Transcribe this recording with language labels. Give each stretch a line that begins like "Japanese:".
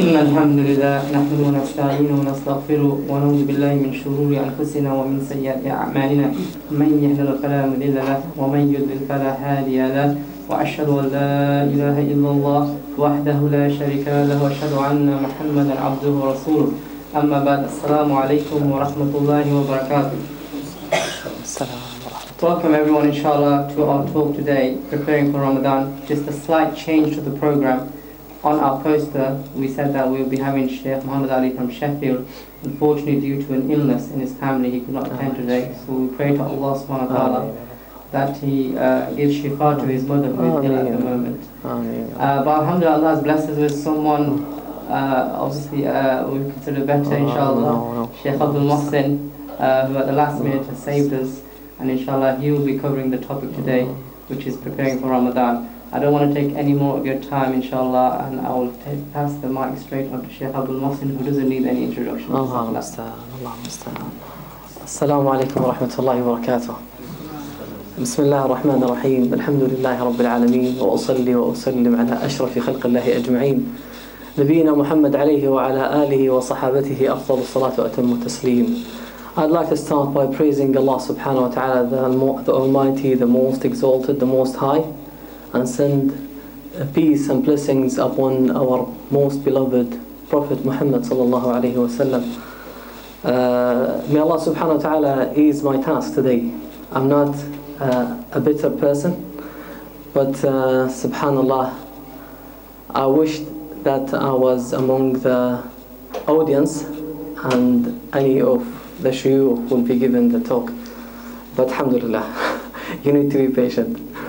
Arabic: إن الحمد لله نحمده ونستعينه ونستغفره ونعوذ بالله من شرور أنفسنا ومن سيئات أعمالنا، من يهده الله فلا مضل له ومن يضلل فلا هادي له، وأشهد أن لا إله إلا الله وحده لا شريك له وأشهد أن محمدا عبده ورسوله. أما بعد، السلام عليكم ورحمة الله وبركاته.
English: Welcome everyone inshallah to our talk today, preparing for Ramadan. Just a slight change to the program. On our poster we said that we'll be having Shaykh Muhammad Ali from Sheffield. Unfortunately, due to an illness in his family, he could not attend today. So we pray to Allah subhanahu wa ta'ala that he gives shifa to his mother who is ill at the moment. But alhamdulillah, Allah has blessed us with someone we consider better inshallah. Shaykh Abdul Muhsin, who at the last minute has saved us, and inshallah he will be covering the topic today, which is preparing for Ramadan. I don't want to take any more of your time inshallah, and I will pass the mic straight on to Shaykh Abdul Muhsin, who doesn't need any introduction.
Arabic: Assalamu alaikum wa rahmatullahi wa barakatuh. بسم الله الرحمن الرحيم. الحمد لله رب العالمين، وأصلي وأسلم على أشرف خلق الله أجمعين، نبينا محمد عليه وعلى آله وصحابته أفضل الصلاة وأتم التسليم.
English: I'd like to start by praising Allah subhanahu wa ta'ala, the Almighty, the Most Exalted, the Most High, and send peace and blessings upon our most beloved Prophet Muhammad sallallahu alayhi wa sallam. May Allah subhanahu wa ta'ala ease my task today. I'm not a bitter person, but subhanallah, I wished that I was among the audience and any of the shuyukh will be given the talk, but alhamdulillah, you need to be patient.